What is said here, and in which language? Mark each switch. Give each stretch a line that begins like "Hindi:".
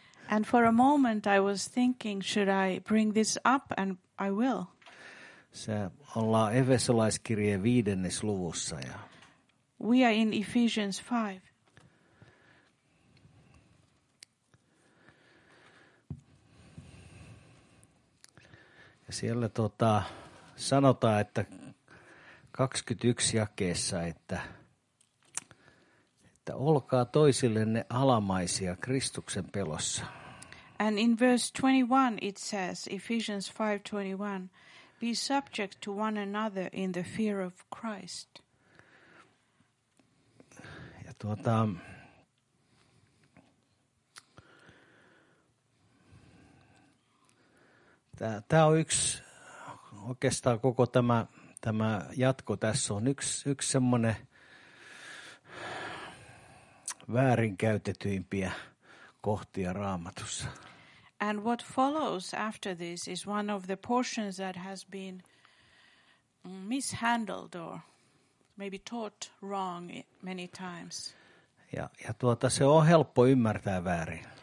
English: And for a moment I was thinking, should I bring this up, and I will.
Finnish: Se ollaan Efesolaiskirjeen 5. luvussa. Ja
English: we are in Ephesians 5.
Finnish: Siellä sanotaan, että 21 jakeessa, että olkaa toisillenne alamaisia Kristuksen pelossa.
English: And in verse 21 it says, Ephesians 5:21, be subject to one another in the fear of Christ.
Finnish: Ja tuota, tää on yksi. Oikeastaan koko tämä jatko tässä on yksi semmoinen väärinkäytetyimpiä kohtia Raamatussa.
English: And what follows after this is one of the portions that has been mishandled or maybe taught wrong many times.
Finnish: Ja se on helppo ymmärtää väärin.